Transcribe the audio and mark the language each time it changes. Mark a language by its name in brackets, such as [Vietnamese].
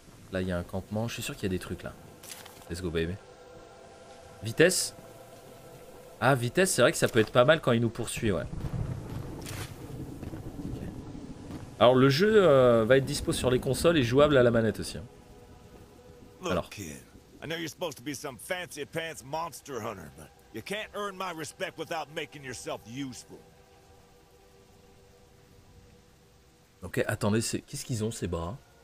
[French] Là, il y a un campement. Je suis sûr qu'il y a des trucs là. [English] Let's go, baby. [French] Vitesse. Ah, vitesse, c'est vrai que ça peut être pas mal quand il nous poursuit, ouais. Alors le jeu va être dispo sur les consoles et jouable à la manette aussi. Hein. Alors. [English] Look, kid. I know you're supposed to be some fancy pants monster hunter, but you can't earn my respect without making yourself useful. [French] OK, attendez, qu'est-ce qu'ils ont ces bras?